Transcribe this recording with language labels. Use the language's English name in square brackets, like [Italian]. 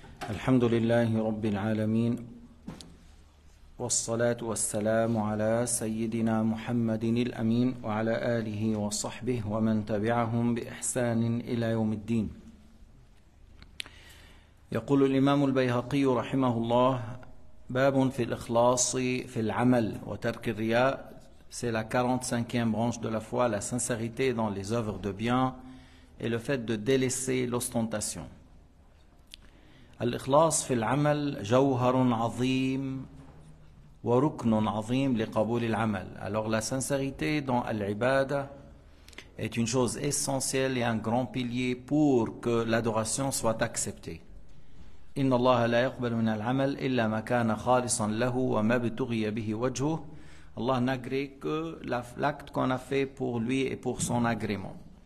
[Arabic] الحمد لله رب العالمين، والصلاة والسلام على سيدنا محمد الأمين وعلى آله وصحبه ومن تبعهم بإحسان إلى يوم الدين. يقول الإمام البيهقي رحمه الله: باب في الإخلاص في العمل وترك الرياء. [French] C'est la 45e branche de la foi, la sincérité dans les œuvres de bien et le fait de délaisser l'ostentation. [Arabic] الإخلاص في العمل جوهر عظيم وركن عظيم لقبول العمل. [French] Alors la sincérité dans العبادة est une chose essentielle et un grand pilier pour que l'adoration soit acceptée. [Arabic] إن الله لا يقبل من العمل إلا ما كان خالصا له وما ابتغي به وجهه. [French] Allah n'agrée que l'acte qu'on a fait pour lui et pour son agrément.